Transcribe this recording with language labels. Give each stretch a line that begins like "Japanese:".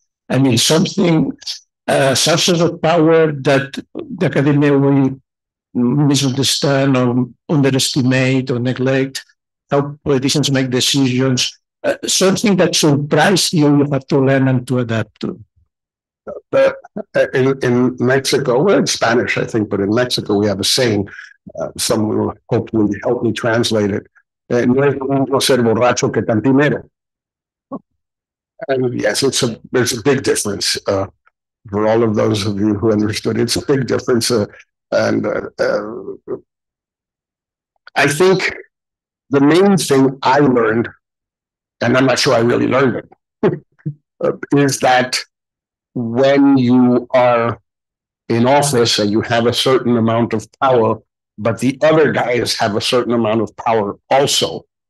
English: I mean, something, sources of power that the academia will misunderstand or underestimate or neglect, how politicians make decisions, something that surprised you, you have to learn and to adapt to. In Mexico, well, in Spanish, I think, but in Mexico, we have a saying. Someone will hopefully help me translate it.
Spanish: No es lo mismo ser borracho que cantinero.
English: And yes, there's a big difference. For all of those of you who understood, it's a big difference. I think the main thing I learned, and I'm not sure I really learned it, is that when you are in office and you have a certain amount of power, but the other guys have a certain amount of power also,